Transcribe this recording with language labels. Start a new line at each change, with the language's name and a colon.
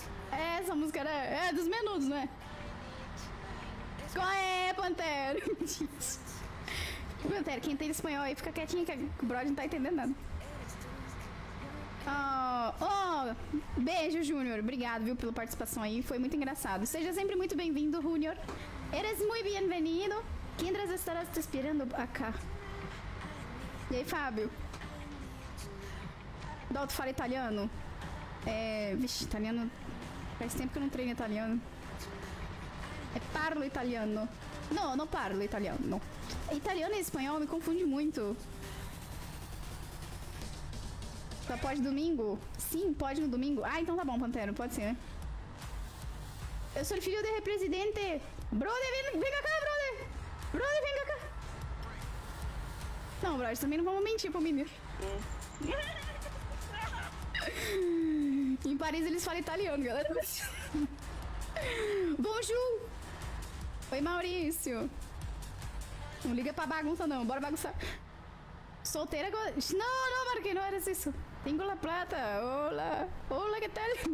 Portuguese: Essa música era, é dos menudos, não é? Qual é, Pantera? Pantera, quem tem espanhol aí fica quietinho que o brother não tá entendendo nada. Oh, oh, beijo, Junior. Obrigado, viu, pela participação aí. Foi muito engraçado. Seja sempre muito bem-vindo, Junior.
Spanish: Eres muy bienvenido. Kendras estará te esperando acá.
Portuguese: E aí, Fábio? Dalton fala italiano? É, vixe, italiano... Faz tempo que eu não treino italiano. É,
Italian: parlo italiano.
Portuguese: Não, não parlo italiano. Italiano e espanhol me confunde muito. Só pode domingo? Sim, pode no domingo. Ah, então tá bom, Pantera. Pode ser, né? Eu sou filho de representante. Brother, vem cá, brother. Brother, vem cá. Não, brother, também não vamos mentir pro menino. Em Paris eles falam italiano, galera. Bonjour. Oi, Maurício. Não liga pra bagunça, não. Bora bagunçar. Solteira agora. Não, não, Marquinhos, não era isso.
Spanish: Tengo la plata, hola, hola, que tal?